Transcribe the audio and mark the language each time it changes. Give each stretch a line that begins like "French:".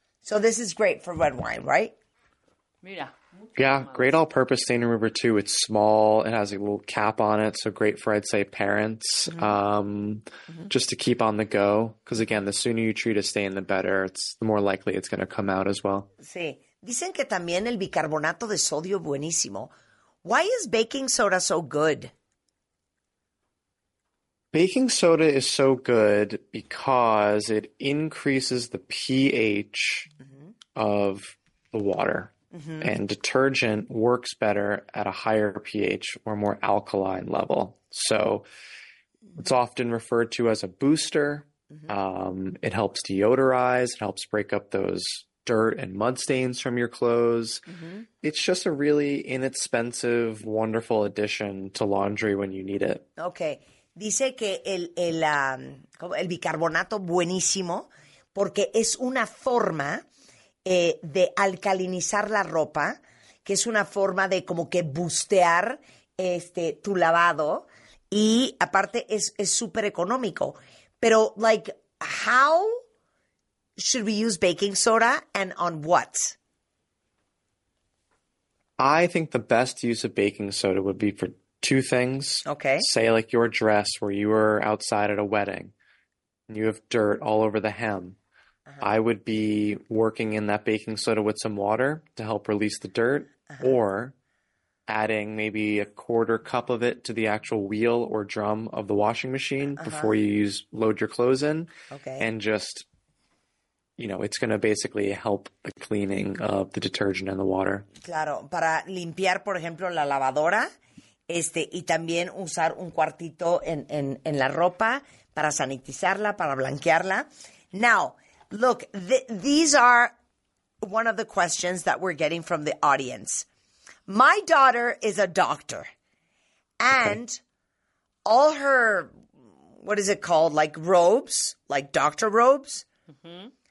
English: So this is great for red wine, right?
Spanish: Mira.
English: Yeah, great all-purpose stain remover too. It's small. It has a little cap on it, so great for, I'd say, parents just to keep on the go. Because, again, the sooner you treat a stain, the better. It's the more likely it's going to come out as well.
Spanish: Sí. Dicen que también el bicarbonato de sodio buenísimo.
English: Why is baking soda so good? Baking soda is so good because it increases the pH of the water. Mm-hmm. And detergent works better at a higher pH or more alkaline level. So it's often referred to as a booster. Mm-hmm. It helps deodorize. It helps break up those dirt and mud stains from your clothes. Mm-hmm. It's just a really inexpensive, wonderful addition to laundry when you need it. Okay.
Spanish: Dice que el bicarbonato buenísimo porque es una forma de alcalinizar la ropa, que es una forma de como que boostear tu lavado. Y aparte es súper económico.
English: Pero, like, how should we use baking soda and on what? I think the best use of baking soda would be for two things. Okay. Say, like, your dress where you were outside at a wedding and you have dirt all over the hem. Uh-huh. I would be working in that baking soda with some water to help release the dirt. Uh-huh. Or adding maybe a quarter cup of it to the actual wheel or drum of the washing machine uh-huh. before you load your clothes in. Okay. And just, you know, it's going to basically help the cleaning of the detergent and the water.
Spanish: Claro. Para limpiar, por ejemplo, la lavadora, y también usar un cuartito en la ropa para sanitizarla, para blanquearla.
English: Now, look, these are one of the questions that we're getting from the audience. My daughter is a doctor, and okay. all her, what is it called, like robes, like doctor robes, mm-hmm.